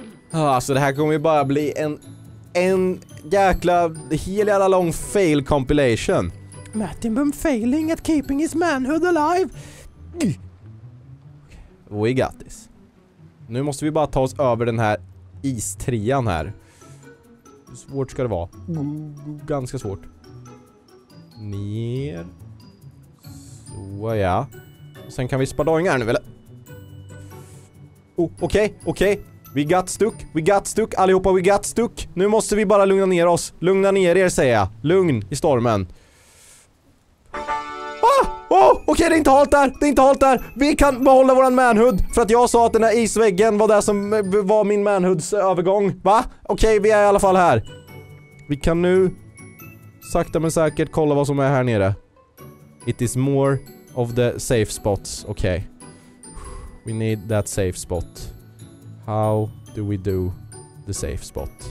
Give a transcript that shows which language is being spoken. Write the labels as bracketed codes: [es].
[sv] Alltså det här kommer ju bara bli en jäkla, hel jävla lång fail compilation. [en] Mattinbum failing at keeping his manhood alive. We got this. [sv] Nu måste vi bara ta oss över den här istrian här. Hur svårt ska det vara? Ganska svårt. Ner. Så ja. Sen kan vi spadoinga här nu, eller? Okej. [en] We got stuck [sv] allihopa, [en] we got stuck. [sv] Nu måste vi bara lugna ner oss. Lugna ner er, säger jag. Lugn i stormen. Okej, det är inte halt där. Vi kan behålla våran manhood. För att jag sa att den här isväggen var det som var min manhoods övergång. Va? Okej, vi är i alla fall här. Vi kan nu sakta men säkert kolla vad som är här nere. [en] It is more of the safe spots. Okej. We need that safe spot. How do we do the safe spot?